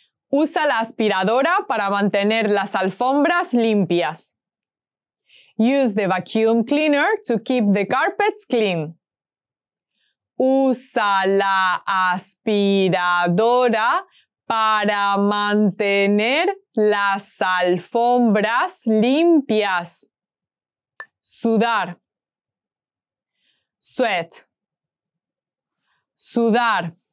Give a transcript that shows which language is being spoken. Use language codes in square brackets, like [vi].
[es] Usa la aspiradora para mantener las alfombras limpias. [en] Use the vacuum cleaner to keep the carpets clean. [es] Usa la aspiradora para mantener las alfombras limpias. Sudar. Sweat. Sudar.